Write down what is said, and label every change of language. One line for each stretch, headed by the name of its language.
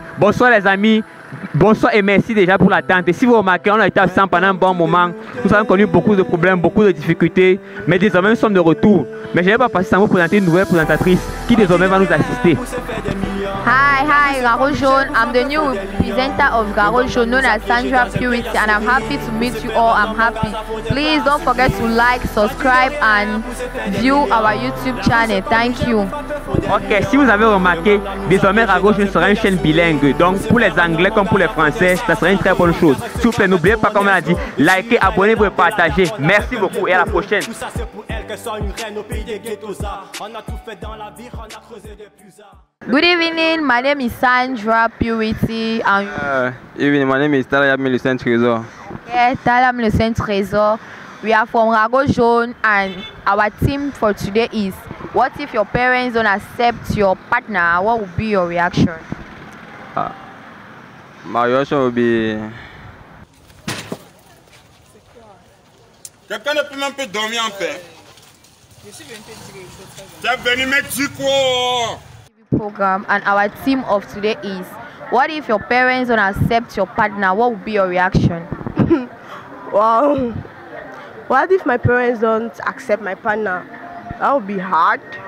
French: Bonsoir les amis, bonsoir et merci déjà pour l'attente. Si vous remarquez, on a été absent pendant un bon moment. Nous avons connu beaucoup de problèmes, beaucoup de difficultés, mais désormais nous sommes de retour. Mais je n'ai pas passé sans vous présenter une nouvelle présentatrice qui désormais va nous assister.
English: Hi, hi, Garo Jaune. I'm the new presenter of Garo Jaune, known as Sandra Purity, and I'm happy to meet you all. I'm happy. Please don't forget to like, subscribe, and view our YouTube channel. Thank you.
French: Ok, si vous avez remarqué, désormais Garo Jaune sera une chaîne bilingue. Donc, pour les Anglais comme pour les Français, ça sera une très bonne chose. S'il vous plaît, n'oubliez pas, comme on a dit, likez, abonnez-vous et partagez. Merci beaucoup et à la prochaine. Tout ça, c'est pour elle que soit une reine au pays des ghettos. On a tout fait dans la vie, on a creusé des plus.
English: Good evening, my name is Sandra Purity. Evening, my name is Talayam Le Saint Trésor. Yeah, Talayam Le Saint Trésor. We are from Rago Jaune, and our theme for today is, what if your parents don't accept your partner? What would be your reaction? My reaction would be...
French: Quelqu'un ne peut même pas dormir en paix. Je suis venu me dire quoi?
English: Program, and our theme of today is, what if your parents don't accept your partner? What would be your reaction? Well, what if my parents don't accept my partner? That would be hard.